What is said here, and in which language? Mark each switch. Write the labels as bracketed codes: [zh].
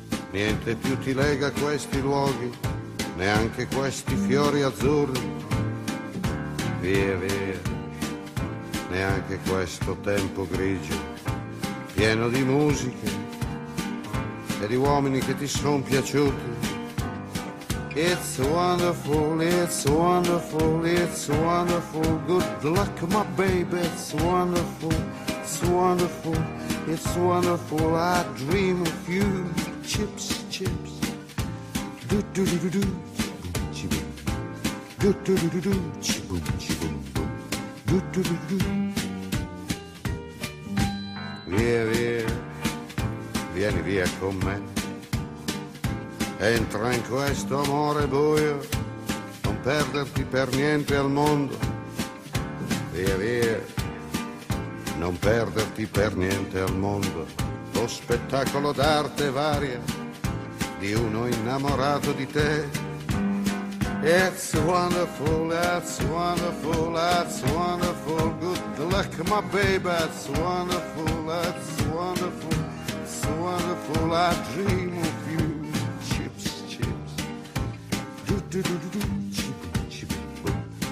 [it] Niente più ti lega questi luoghi, neanche questi fiori azzurri. Via, via, neanche questo tempo grigio, pieno di musiche e di uomini che ti son piaciuti. [en] It's wonderful, it's wonderful, it's wonderful. Good luck, my baby, it's wonderful. It's wonderful, it's wonderful. I dream of you. Chips, chips. Do do do do do. Chibum chibum. Do do do do do. Chibum chibum. Do do do do do. [it] Via via, vieni via con me. Entra in questo amore buio. Non perderti per niente al mondo. Via via. Non perderti per niente al mondo, lo spettacolo d'arte varia di uno innamorato di te. [en] It's wonderful, that's wonderful, that's wonderful. Good luck, my baby, it's wonderful, that's wonderful, it's wonderful. I dream of you. Chips, chips. Do do do do do, chip, chip, boom.